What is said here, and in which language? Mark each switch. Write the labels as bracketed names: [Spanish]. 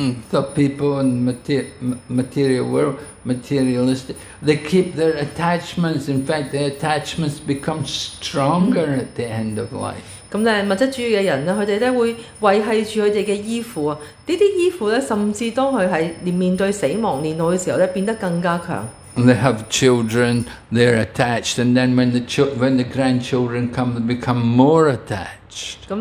[English] The people in material world, materialistic, they keep their attachments. In fact, their attachments become stronger at the end of life. [Chinese] 物質主義的人，他們會維繫著他們的衣服。這些衣服甚至當他們面對死亡年老的時候，變得更加強。 [English] They have children, they're attached, and then when the grandchildren come, they become more attached.